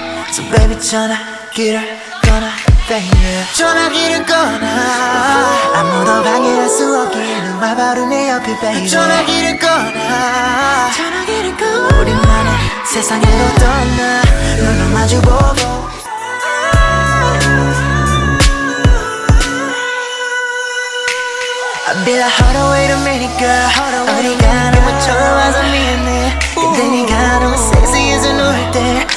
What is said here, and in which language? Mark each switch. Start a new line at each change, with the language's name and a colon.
English: So baby,
Korean: 전화기를 꺼놔, baby. 전화기를 꺼놔. 아무도 방해할 수 없게 너와 바로 내 옆에, baby. 전화기를 꺼놔. 우리만의 세상으로 떠나 눈을 마주보고
English: I'd be like, hold on, wait a minute, girl. Hold on, wait a minute. You were terrorizing me in there. And then you got on sexy as a new day.